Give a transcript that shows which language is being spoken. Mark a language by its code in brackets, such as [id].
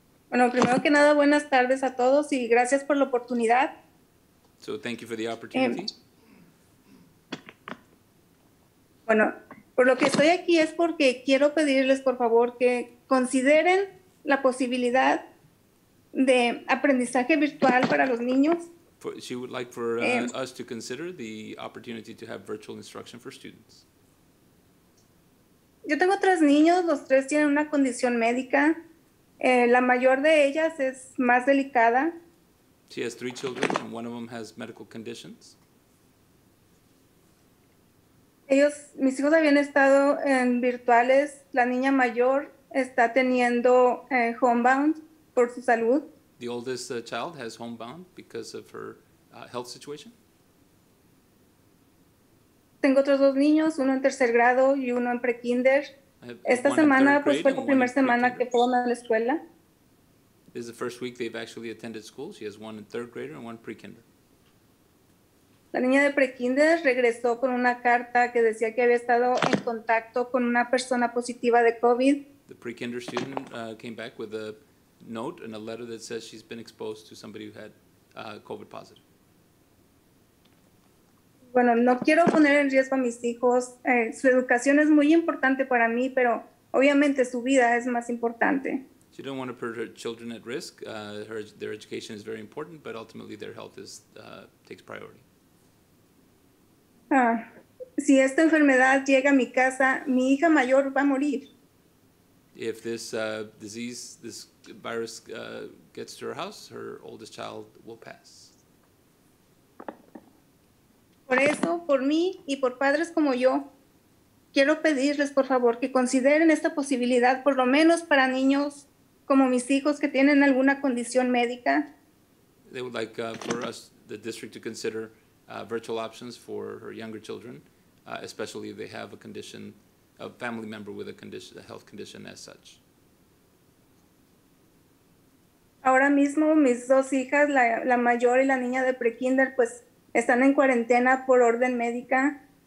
[es] Bueno, primero que nada, buenas tardes a todos y gracias por la oportunidad. [en] So, thank you for the opportunity. [es] Bueno, por lo que estoy aquí es porque quiero pedirles, por favor, que consideren la posibilidad de aprendizaje virtual para los niños. [en] She would like for us to consider the opportunity to have virtual instruction for students. [es] Yo tengo tres niños, los tres tienen una condición médica. La mayor de ellas es más delicada. [en] She has three children and one of them has medical conditions. [es] Ellos, mis hijos habían estado en virtuales. La niña mayor está teniendo homebound por su salud. [en] The oldest child has homebound because of her health situation. [es] Tengo otros dos niños, uno en tercer grado y uno en pre-kinder. Esta semana pues fue la primera semana que fueron a la escuela. [en] This is the first week they've actually attended school. She has one in third grader and one pre-kinder. [es] La niña de pre-kinder regresó con una carta que decía que había estado en contacto con una persona positiva de COVID. [en] The pre-kinder student came back with a note and a letter that says she's been exposed to somebody who had COVID positive. [es] Bueno, no quiero poner en riesgo a mis hijos. Su educación es muy importante para mí, pero obviamente su vida es más importante. [en] She didn't want to put her children at risk. Their education is very important, but ultimately their health takes priority. [es] Si esta enfermedad llega a mi casa, mi hija mayor va a morir. [en] If this disease, this virus gets to her house, her oldest child will pass. [es] Por eso, por mí y por padres como yo, quiero pedirles, por favor, que consideren esta posibilidad, por lo menos para niños como mis hijos que tienen alguna condición médica. [en] They would like for us, the district, to consider virtual options for her younger children, especially if they have a condition, a family member with a health condition as such. [es] Ahora mismo, mis dos hijas, la mayor y la niña de pre-kinder, pues, están en cuarentena por orden médica.